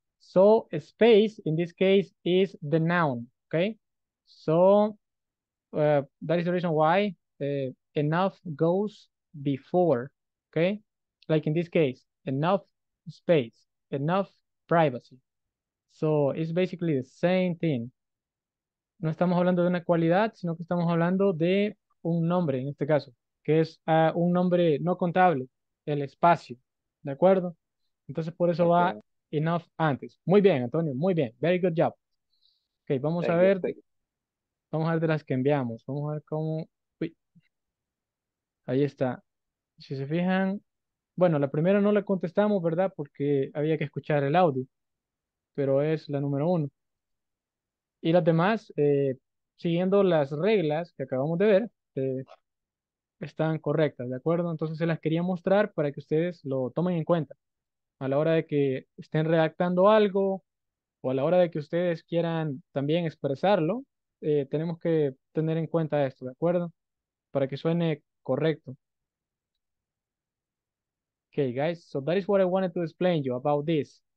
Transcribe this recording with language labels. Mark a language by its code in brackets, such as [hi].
[en] So a space in this case is the noun, okay? So that is the reason why enough goes before, okay? Like in this case, enough space, enough privacy. So it's basically the same thing. [es] No estamos hablando de una cualidad, sino que estamos hablando de un nombre en este caso, que es un nombre no contable, el espacio, ¿de acuerdo? Entonces por eso va enough antes. Muy bien, Antonio, muy bien. [en] Very good job. [es] Okay, vamos [en] Thank you, [es] ver. Vamos a ver de las que enviamos. Vamos a ver cómo. Uy. Ahí está. Si se fijan, bueno, la primera no la contestamos, ¿verdad? Porque había que escuchar el audio. Pero es la número uno. Y las demás, siguiendo las reglas que acabamos de ver, están correctas, ¿de acuerdo? Entonces se las quería mostrar para que ustedes lo tomen en cuenta. A la hora de que estén redactando algo, o a la hora de que ustedes quieran también expresarlo, tenemos que tener en cuenta esto, ¿de acuerdo? Para que suene correcto. [en] Okay, guys, so that is what I wanted to explain you about this.